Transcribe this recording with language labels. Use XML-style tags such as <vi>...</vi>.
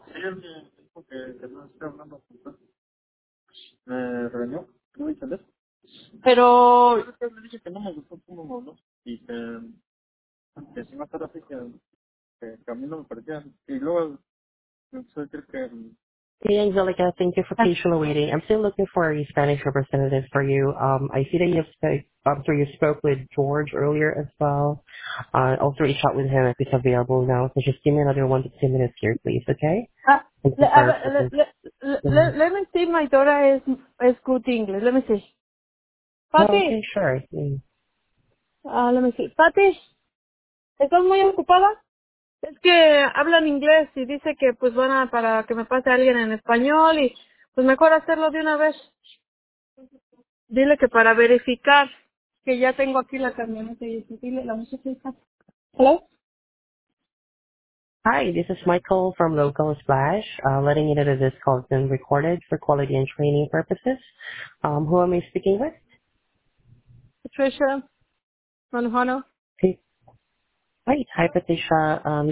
<es>Sí, él me dijo que no esté hablando con usted. Me regañó, no me entendés. Pero... Yo le dije que no me gustó cómo me habló, y que si no estaba así, que a mí no me parecía, y luego...</es> <en>Hey Angelica, thank you for patiently waiting. I'm still looking for a Spanish representative for you. I see that you spoke with George earlier as well. Also reached out with him if he's available now. So just give me another 1 to 2 minutes here, please, okay? Let me see. My daughter is good English. Let me see. Patty. Okay, sure. Let me see.</en> <es>Patty, ¿estás muy ocupada? Es que hablan inglés y dice que pues van a para que me pase a alguien en español y pues mejor hacerlo de una vez. Dile que para verificar que ya tengo aquí la camioneta y dile la muchacha. ¿Hola?</es> <en>Hi, this is Michael from Local Splash, letting you know that this call has been recorded for quality and training purposes. Who am I speaking with? Patricia Manuano. Hey. Hi, Patricia.</en>